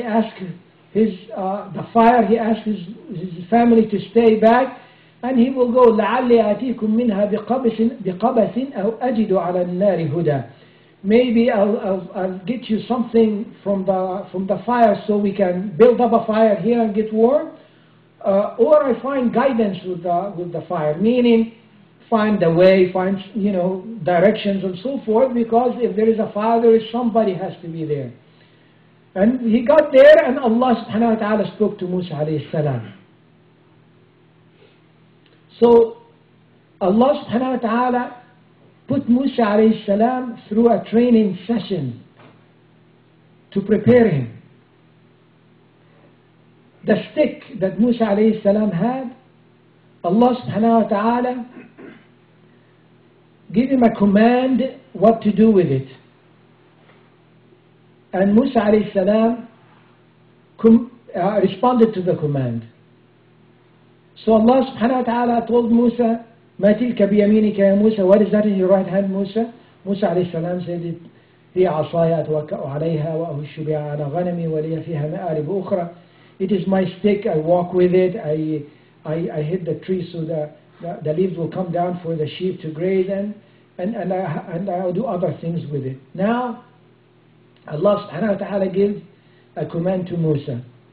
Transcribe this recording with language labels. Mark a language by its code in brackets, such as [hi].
[en] He asks the fire. He asks his family to stay back, and he will go. [ar] لَعَلِّي أَتِيكُم مِنْهَا بِقَبَسٍ أَوْ أَجِدُ عَلَى النَّارِ هُدَى. [en] Maybe I'll get you something from the fire, so we can build up a fire here and get warm. Or I find guidance with the fire, meaning find the way, find, you know, directions and so forth, because if there is a fire, there is somebody has to be there. And he got there, and Allah subhanahu wa ta'ala spoke to Musa alayhi salam. So Allah subhanahu wa ta'ala put Musa alayhi salam through a training session to prepare him. The stick that Musa alayhi salam had, Allah subhanahu wa ta'ala gave him a command what to do with it. And Musa alayhi salam responded to the command. So Allah subhanahu wa ta'ala told Musa, [ar] مَا تِلْكَ بِيَمِينِكَ يَا مُوسَى. [en] What is that in your right hand, Musa? Musa alayhi salam said it, [ar] هِيَ عَصَايَ أَتْوَكَّأُ عَلَيْهَا وَأَهُشُّ بِهَا عَلَى غَنَمِي وَلِيَ فِيهَا مَآرِبُ أُخْرَى. [en] It is my stick, I walk with it, I hit the tree so the leaves will come down for the sheep to graze, and I'll do other things with it. Now, Allah subhanahu wa ta'ala gives a command to Musa.